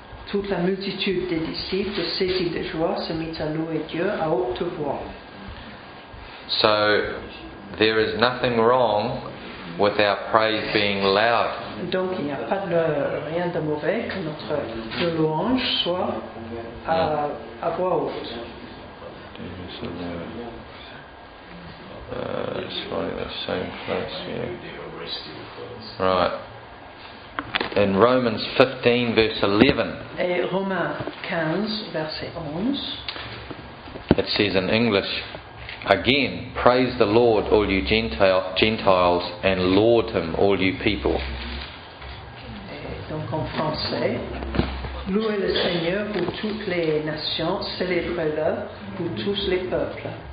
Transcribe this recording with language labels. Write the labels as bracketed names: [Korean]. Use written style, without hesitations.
[French] Toute la multitude des disciples, saisis de joie, se mit à louer Dieu à haute voix. [English] So, there is nothing wrong with our praise being loud. [French] Donc, il n'y a pas de rien de mauvais que notre louange soit à voix haute. [English] It's running the same place, yeah. Right. In Romans 15, verse 11. [French] Et Romains 15, verset 11. [English] It says in English, again, praise the Lord, all you Gentiles, and laud him, all you people. [French] Et donc en français. Louez le Seigneur pour toutes les nations, célébrez-le pour tous les peuples.